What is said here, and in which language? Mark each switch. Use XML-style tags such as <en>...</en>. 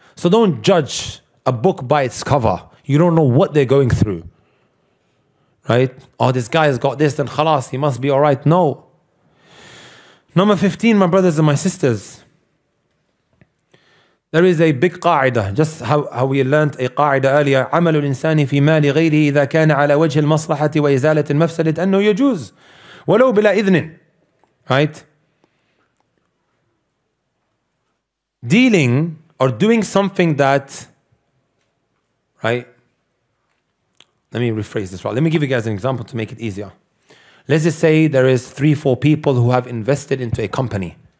<en>So don't judge a book by its cover. You don't know what they're going through. Right? Oh, this guy has got this, then khalas, he must be all right. No. Number 15, my brothers and my sisters. There is a big qa'ida, just how we learned a qa'ida earlier.</en> <ar>عمل الإنسان في مال غيره إذا كان على وجه المصلحة وإزالة المفسدة أنه يجوز ولو بلا إذن.</ar> <en>Right? Dealing or doing something that, right? Let me rephrase this. Right? Let me give you guys an example to make it easier. Let's just say there is 3-4 people who have invested into a company.</en>